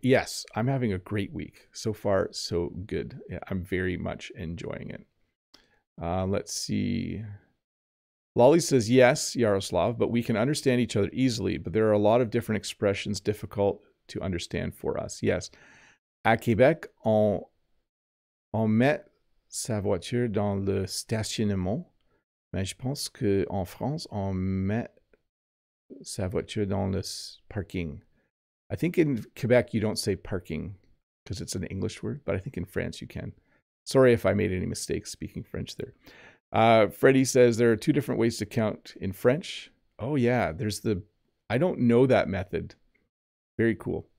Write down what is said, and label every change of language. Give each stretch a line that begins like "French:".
English: Yes, I'm having a great week. So far, so good. Yeah, I'm very much enjoying it. Let's see. Lolly says, yes, Yaroslav, but we can understand each other easily, but there are a lot of different expressions difficult to understand for us. Yes.
French: À Québec, on met sa voiture dans le stationnement, mais je pense que en France, on met sa voiture dans le parking.
English: I think in Quebec you don't say parking because it's an English word, but I think in France you can. Sorry if I made any mistakes speaking French there. Freddie says there are two different ways to count in French. Oh yeah, there's the, I don't know that method. Very cool.